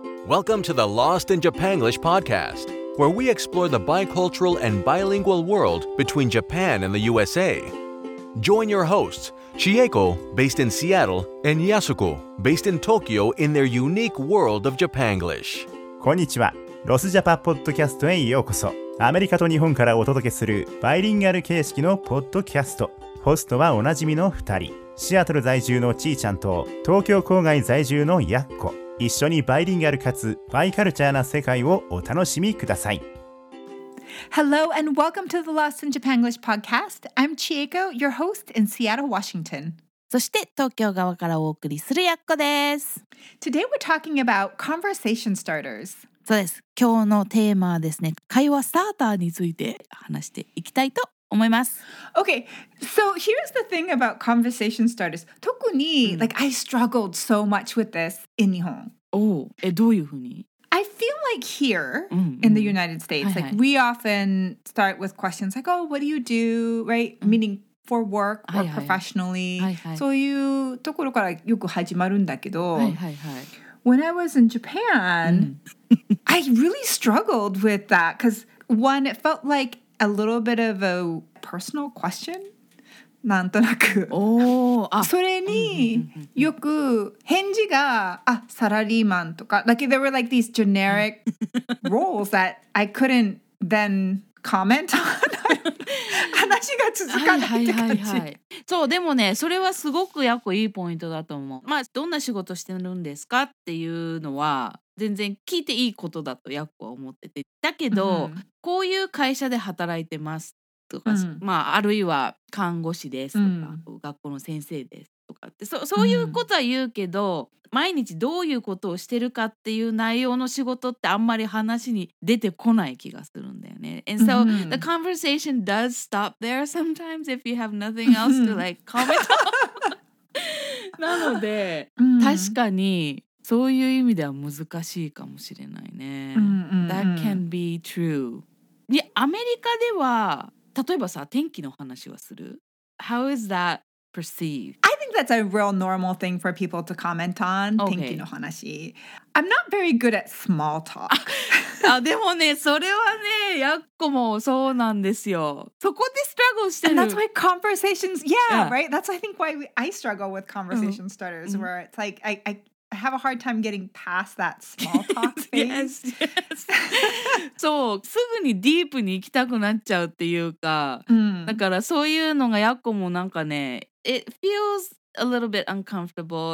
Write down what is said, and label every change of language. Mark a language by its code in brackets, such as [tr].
[en] Welcome to the Lost in Japanglish podcast, where we explore the bicultural and bilingual world between Japan and the USA. Join your hosts, Chieko, based in Seattle, and Yasuko, based in Tokyo, in their unique world of Japanglish. [ja] こんにちは。ロスジャパポッドキャストへようこそ。アメリカと日本からお届けするバイリンガル形式のポッドキャスト。ホストはおなじみの2人。シアトル在住のちーちゃんと東京郊外在住のやっこ。一緒にバイリンガルかつバイカルチャーな世界をお楽しみください。 [en] Hello and welcome to the Lost in Japanglish podcast. I'm Chieko, your host in Seattle, Washington. [ja] そして東京側からお送りするやっこです。 [en] Today we're talking about conversation starters. [ja] そうです。今日のテーマはですね、会話スターターについて話していきたいと思います。 [en] Okay, so here's the thing about conversation starters. 特に、like, I struggled so much with this in 日本。 [ja] おお、どういうふうに？ [en] I feel like here in the United States, like, we often start with questions like, oh, what do you do, right? Meaning,for work or professionally. [ja] はいはい。そういうところからよく始まるんだけど、はいはいはい、 [en] when I was in Japan, I really struggled with that because one, it felt like a little bit of a personal question, [ja] なんとなく。 Oh, それによく返事が、あ、サラリーマンとか、 [en] like there were like these generic roles that I couldn't then comment on. [ja] 話が続かないって感じ、はいはいはいはい、そうでもねそれはすごくやっぱいいポイントだと思う。まあどんな仕事してるんですかっていうのは全然聞いていいことだとやっぱ思ってて、だけど、うん、こういう会社で働いてますとか、うん、まああるいは看護師ですとか、うん、学校の先生ですとかって そういうことは言うけど、うん、毎日どういうことをしてるかっていう内容の仕事ってあんまり話に出てこない気がするんだよね。 [en] And so、mm-hmm. the conversation does stop there sometimes if you have nothing else to like comment on. [ja] なので、mm-hmm. 確かにそういう意味では難しいかもしれないね。 [en] That can be true. [ja] で、アメリカでは例えばさ天気の話はする？ [en] How is that perceived? That's a real normal thing for people to comment on. Okay. [ja] 天気の話。 [en] I'm not very good at small talk. [ja] あ、でもね、それはね、やっこもそうなんですよ。そこで struggle してる。 [en] And that's why conversations, right? That's, I think, why I struggle with conversation starters, where it's like, I have a hard time getting past that small talk phase. yes, yes. [ja] そう、すぐにディープに行きたくなっちゃうっていうか、だからそういうのがやっこもなんかね、 [en] It feels a little bit uncomfortable.